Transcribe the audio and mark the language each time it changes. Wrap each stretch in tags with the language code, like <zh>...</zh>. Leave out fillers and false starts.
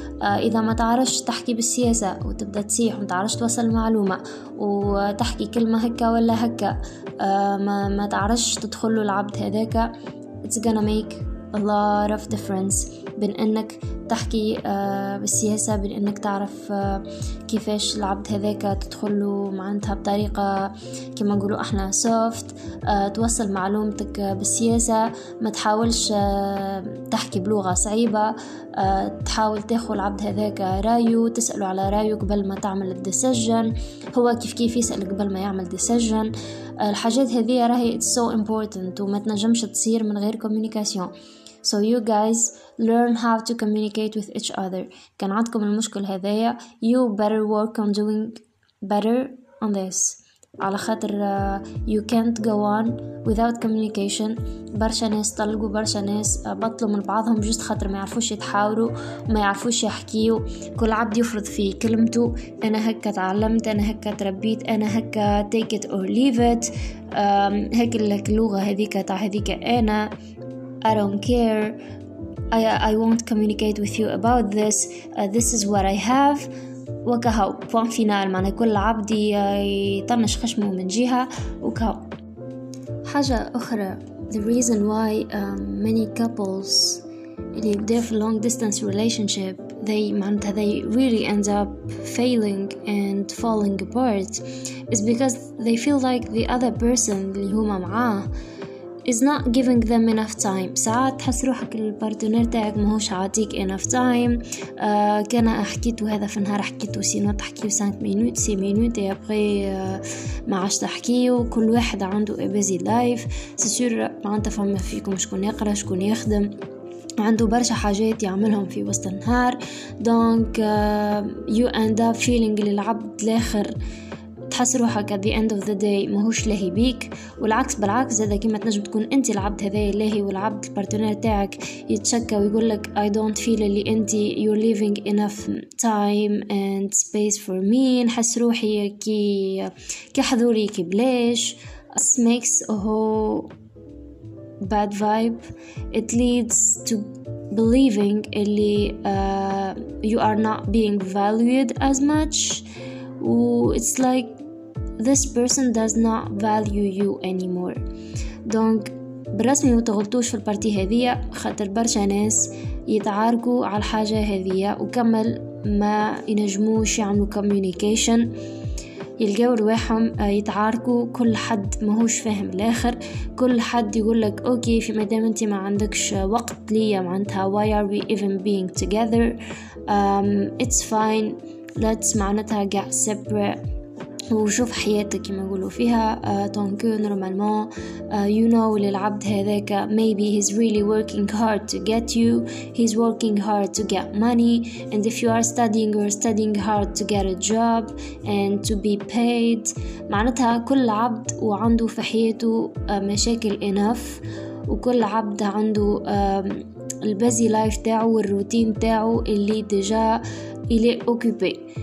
<ar>إذا ما تعرفش تحكي بالسياسة وتبدأ تسيح ومتعرفش توصل معلومة وتحكي كلمة هكا ولا هكا، ما تعرفش تدخله العبد هذاك،</ar> <en>it's gonna make a lot of difference</en> <ar>بين أنك تحكي بالسياسة، بين أنك تعرف كيفاش العبد هذاك تدخله معناتها بطريقة كما نقولوا احنا soft، توصل معلومتك بالسياسة، ما تحاولش تحكي بلغة صعيبة، تحاول تاخذ العبد هذاك رايو، تسأله على رايو قبل ما تعمل الديسيجن، هو كيف كيف يسألك قبل ما يعمل ديسيجن. الحاجات هذه راهي</ar> <en>it's so important</en> <ar>وما تنجمش تصير من غير communication.</ar> <en>So you guys learn how to communicate with each other.</en> <ar>كان عندكم المشكل هذايا</ar> <en>you better work on doing better on this.</en> <ar>على خاطر</ar> <en>you can't go on without communication.</en> <ar>برشا ناس طلقوا، برشا ناس بطلوا من بعضهم جست خاطر ما يعرفوش يتحاوروا، ما يعرفوش يحكيوا، كل عبد يفرض في كلمته، أنا هكا تعلمت، أنا هكا تربيت، أنا هكا</ar> <en>take it or leave it،</en> <ar>هكا لك اللغة هذيك تاع هذيك، أنا</ar> <en>I don't care. I won't communicate with you about this. This is what I have.</en> <ar>وكهو بوان فينال، معنى كل عبد يطنش خشمه من جهة وكهو. حاجة أخرى،</ar> <en>the reason why many couples</en> <ar>اللي يبدأ في</ar> <en>long distance relationship they really end up failing and falling apart is because they feel like the other person</en> <ar>اللي هما معاه</ar> <en>is not giving them enough time.</en> <ar>ساعات تحس روحك البارتنر تاعك ماهوش عاطيك enough time. كان حكيتو هذا في النهار، حكيتو سينو تحكيو 5 مينوت 6 مينوت ابري ما عادش تحكيو، كل واحد عنده</ar> <en>a busy life.</en> <ar>سيسور معناتها فما فيكم شكون يقرا شكون يخدم عنده برشا حاجات يعملهم في وسط النهار، دونك</ar> <en>you end up feeling</en> <ar>للعبد الاخر تحس روحك</ar> <en>at the end of the day</en> <ar>ماهوش لاهي بيك، والعكس بالعكس هذا كيما تنجم تكون انت العبد هذايا لاهي والعبد البارتنير تاعك يتشكى ويقول لك</ar> <en>I don't feel</en> <ar>اللي انت</ar> <en>you're leaving enough time and space for me،</en> <ar>نحس روحي كي حضوري كي بلاش.</ar> <en>This makes a whole bad vibe. It leads to believing اللي you are not being valued as much. It's like this person does not value you anymore.</en> <ar>دونك برسمي متغلطوش في البارتي هذية، خاطر برشا ناس يتعاركوا على الحاجة هذية وكمل ما ينجموش يعملوا communication، يلقوا رواحهم يتعاركوا، كل حد ماهوش فاهم الآخر، كل حد يقول لك اوكي في مادام انت ما عندكش وقت ليا معناتها</ar> <en>why are we even being together، it's fine let's</en> <ar>معناتها</ar> <en>get separate</en> <ar>وشوف حياتك كما يقولوا فيها.</ar> <en>طونكو نورمالمون you know</en> <ar>للعبد هذاك</ar> <en>maybe he's really working hard to get you، he's working hard to get money، and if you are studying you're studying hard to get a job and to be paid.</en> <ar>معناتها كل عبد وعنده في حياته مشاكل enough، وكل عبد عنده البزي لايف تاعه والروتين تاعه اللي ديجا إلي أوكيبي.</ar>